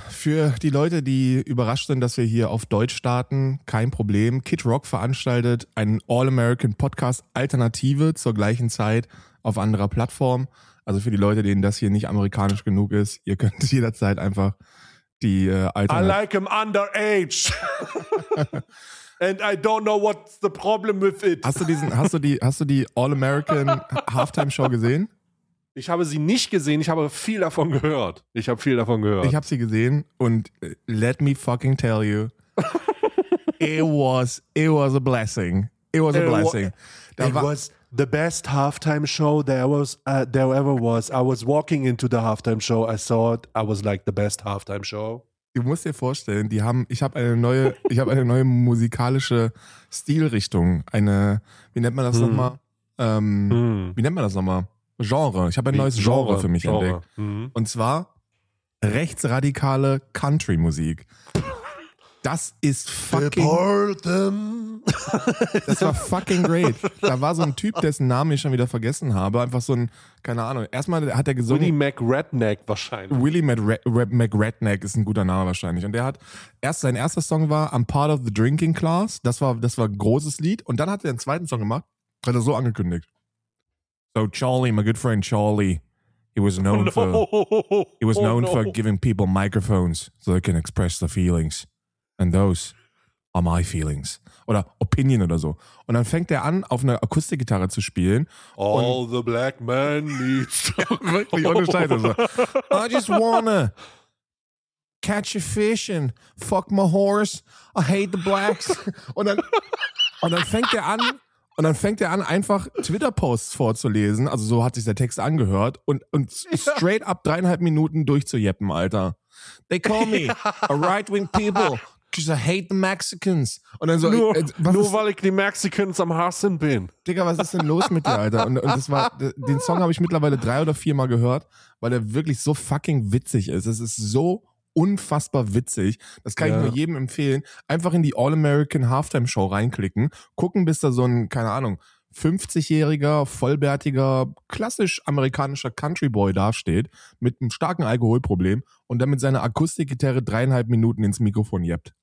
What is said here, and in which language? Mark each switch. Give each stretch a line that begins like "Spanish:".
German: Für die Leute, die überrascht sind, dass wir hier auf Deutsch starten, kein Problem. Kid Rock veranstaltet einen All-American-Podcast-Alternative zur gleichen Zeit auf anderer Plattform. Also für die Leute, denen das hier nicht amerikanisch genug ist, ihr könnt jederzeit einfach die
English: Alternative... I like him underage! And I don't know what's the problem with it.
German: Hast du die All-American Halftime-Show gesehen? Ich habe sie nicht gesehen, ich habe viel davon gehört. Ich habe sie gesehen und
English: let me fucking tell you, it was a blessing. It was the best halftime show there ever was. I was walking into the halftime show, I saw it, I was like the best halftime show.
German: Du musst dir vorstellen, ich habe eine neue musikalische Stilrichtung, Genre. Ich habe ein neues Genre für mich entdeckt. Mhm. Und zwar rechtsradikale Country-Musik. Das ist fucking... Das war fucking great. Da war so ein Typ, dessen Namen ich schon wieder vergessen habe. Einfach so ein, keine Ahnung. Erstmal hat er gesungen... Willie McRedneck wahrscheinlich. Willie McRedneck ist ein guter Name wahrscheinlich. Und der hat... sein erster Song war
English: I'm Part of the Drinking Class.
German: Das war ein großes Lied. Und dann hat er einen zweiten Song gemacht. Hat er so angekündigt.
English: So Charlie, my good friend Charlie, he was known for giving people microphones so they can express their feelings. And those are my feelings.
German: Oder Opinion oder so. Und dann fängt er an, auf einer Akustikgitarre zu spielen.
English: All the black man needs.
German: Wirklich, ohne Scheiße. So.
English: I just wanna catch a fish and fuck my horse. I hate the blacks.
German: Und dann fängt er an, einfach Twitter-Posts vorzulesen. Also so hat sich der Text angehört. Und straight up 3,5 Minuten durchzujeppen, Alter.
English: They call me a right-wing people, because I hate the Mexicans.
German: Und dann so, weil ich die Mexicans am hassen bin. Digga, was ist denn los mit dir, Alter? Und das war, den Song habe ich mittlerweile 3 oder 4 Mal gehört, weil er wirklich so fucking witzig ist. Es ist so unfassbar witzig. Das kann ich nur jedem empfehlen. Einfach in die All-American Halftime-Show reinklicken. Gucken, bis da so ein, keine Ahnung, 50-jähriger, vollbärtiger, klassisch amerikanischer Country-Boy dasteht mit einem starken Alkoholproblem und dann mit seiner Akustikgitarre 3,5 Minuten ins Mikrofon jeppt.